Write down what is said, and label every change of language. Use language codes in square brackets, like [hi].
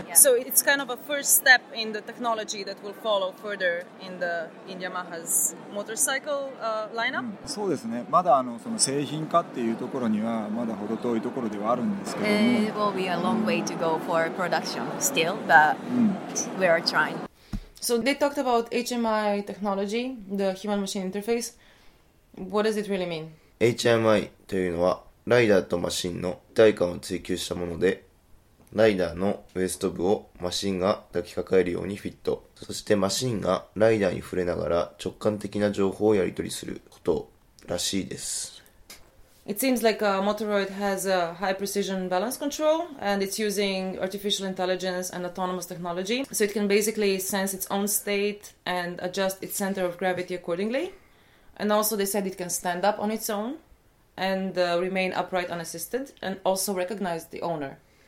[en] So it's kind of a first step in the technology that will follow further in Yamaha's motorcycle lineup?、 [ja] そうですね。まだその製品化っていうところにはまだ程遠いところではあるんですけども。 [en] It will be a long way to go for production still, but we are trying. So they talked about HMI technology, the human machine interface. What does it really mean? [ja] HMI というのはライダーとマシンの一体感を追求したもので、ライダーのウエスト部をマシンが抱きかかえるようにフィット、そしてマシンがライダーに触れながら直感的な情報をやり取りすることらしいです。 [en] It seems like a Motoroid has a high precision balance control and it's using artificial intelligence and autonomous technology. So it can basically sense its own state and adjust its center of gravity accordingly. And also they said it can stand up on its own and remain upright unassisted and also recognize the owner.